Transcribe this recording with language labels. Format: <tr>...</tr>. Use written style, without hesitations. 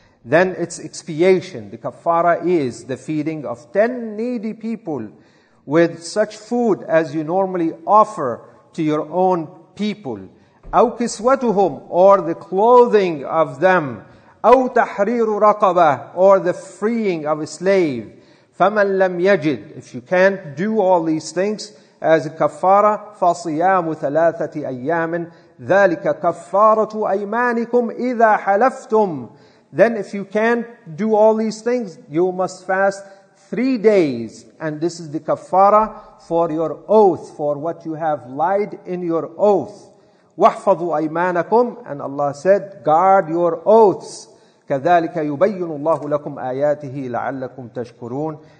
<en>Then it's expiation. The kafara is the feeding of 10 needy people with such food as you normally offer to your own people.</en> <ar>أَوْ كِسْوَتُهُمْ,</ar> <en>or the clothing of them.</en> <ar>أَوْ تَحْرِيرُ رَقَبَةٍ,</ar> <en>or the freeing of a slave.</en> <ar>فَمَنْ لَمْ يَجِدْ,</ar> <en>if you can't do all these things as a kafara,</en> <ar>فَصِيَامُ ثَلَاثَةِ أَيَّامٍ ذَلِكَ كَفَّارَةُ أَيْمَانِكُمْ إِذَا حَلَفْتُمْ.</ar> <en>Then if you can't do all these things, you must fast 3 days. And this is the kafara for your oath, for what you have lied in your oath.</en> <ar>وَحْفَظُوا أَيْمَانَكُمْ.</ar> <en>And Allah said, guard your oaths.</en> <ar>كَذَلِكَ يُبَيِّنُ اللَّهُ لَكُمْ آيَاتِهِ لَعَلَّكُمْ تَشْكُرُونَ.</ar>